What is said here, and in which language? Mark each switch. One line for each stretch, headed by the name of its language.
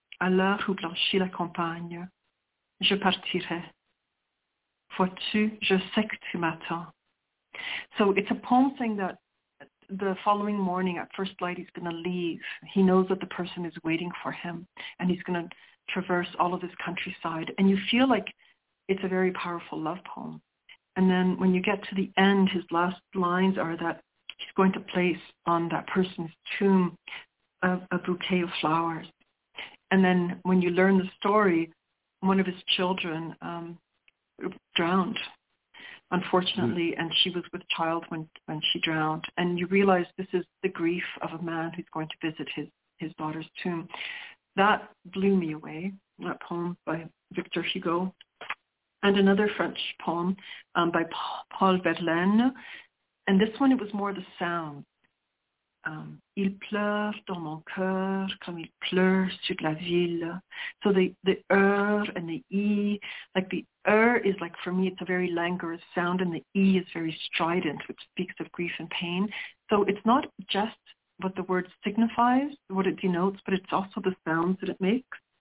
French: À l'heure où blanchit la campagne, je partirai. Vois-tu, je sais que tu m'attends.
English: So it's a poem saying that the following morning at first light he's going to leave. He knows that the person is waiting for him, and he's going to traverse all of this countryside. And you feel like it's a very powerful love poem. And then when you get to the end, his last lines are that he's going to place on that person's tomb a bouquet of flowers. And then when you learn the story, one of his children drowned, unfortunately, and she was with child when she drowned. And you realize this is the grief of a man who's going to visit his daughter's tomb. That blew me away, that poem by Victor Hugo. And another French poem by Paul Verlaine. And this one, it was more the sound.
French: Il pleure dans mon cœur comme il pleure sur la ville.
English: So the er and the e, like the er is like, for me, it's a very languorous sound, and the e is very strident, which speaks of grief and pain. So it's not just what the word signifies, what it denotes, but it's also the sounds that it makes.